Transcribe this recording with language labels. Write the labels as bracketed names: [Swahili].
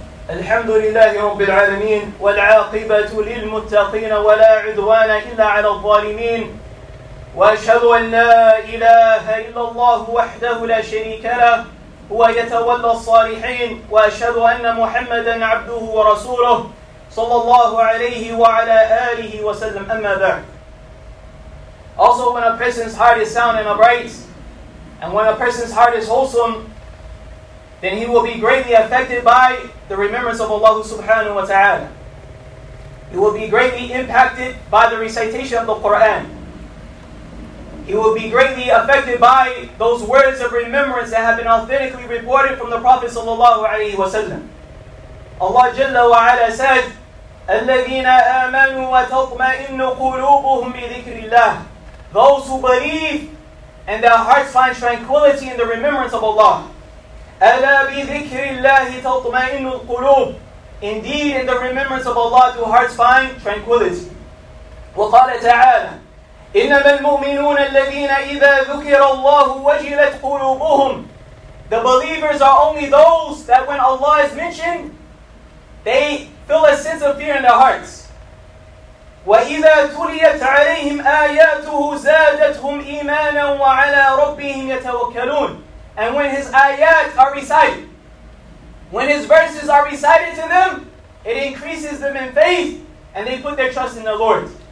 [Arabic] الحمد لله رب العالمين والعاقبة للمتقين ولا عدوان إلا على الظالمين وأشهد أن لا إله إلا الله وحده لا شريك له هو يتولى الصالحين وأشهد أن محمدا عبده ورسوله صلى الله عليه وعلى آله وسلم. أما بعد. [English] Also, when a person's heart is sound and upright, and when a person's heart is wholesome, then he will be greatly affected by the remembrance of Allah subhanahu wa ta'ala. He will be greatly impacted by the recitation of the Qur'an. He will be greatly affected by those words of remembrance that have been authentically reported from the Prophet sallallahu alayhi wa sallam. Allah jalla wa ala said, [Arabic] الَّذِينَ آمَنُوا وَتَطْمَئِنُّ قُلُوبُهُمْ بِذِكْرِ اللَّهِ. [English] Those who believe and their hearts find tranquility in the remembrance of Allah. [Arabic] أَلَا بِذِكْرِ اللَّهِ تَطْمَئِنُّ الْقُلُوبِ. [English] Indeed, in the remembrance of Allah, do hearts find tranquility. [Arabic] وَقَالَ تَعَالَى إنما المؤمنون الذين إذا ذكر الله وجلت قلوبهم. [English] The believers are only those that when Allah is mentioned, they feel a sense of fear in their hearts. [Arabic] وَإِذَا تُلِيَتْ عَلَيْهِمْ آيَاتُهُ زَادَتْهُمْ إِيمَانًا وَعَلَىٰ رَبِّهِمْ يَتَوَكَّلُونَ. [English] And when His ayat are recited, when His verses are recited to them, it increases them in faith, and they put their trust in the Lord.